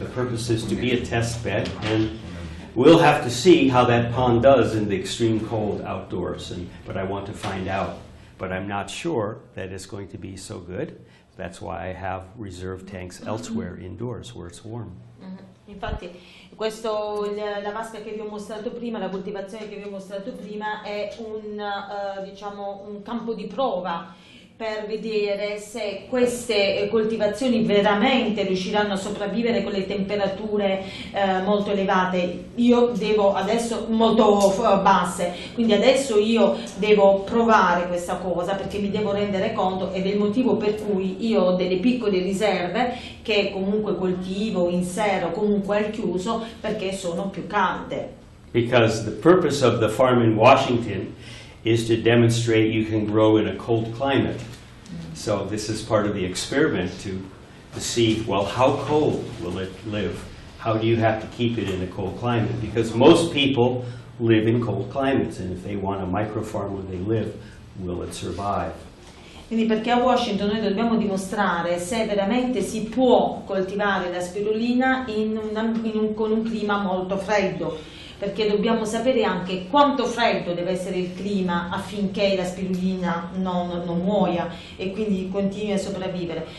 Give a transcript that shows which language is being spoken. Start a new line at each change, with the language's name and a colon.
English: The purpose is to be a test bed, and we'll have to see how that pond does in the extreme cold outdoors, but I want to find out. But I'm not sure that it's going to be so good. That's why I have reserve tanks elsewhere indoors where it's warm.
Italian: Infatti, la vasca che vi ho mostrato prima, la coltivazione che vi ho mostrato prima, è un campo di prova per vedere se queste coltivazioni veramente riusciranno a sopravvivere con le temperature molto elevate. Io devo adesso, molto basse, quindi adesso io devo provare questa cosa perché mi devo rendere conto, ed è il motivo per cui io ho delle piccole riserve che comunque coltivo in serra, comunque al chiuso, perché sono più calde.
English: Because the purpose of the farm in Washington is to demonstrate you can grow in a cold climate. So this is part of the experiment to see, well, how cold will it live? How do you have to keep it in a cold climate? Because most people live in cold climates, and if they want a micro farm where they live, will it survive?
Italian: Quindi perché a Washington noi dobbiamo dimostrare se veramente si può coltivare la spirulina con un clima molto freddo. Perché dobbiamo sapere anche quanto freddo deve essere il clima affinché la spirulina non muoia e quindi continui a sopravvivere.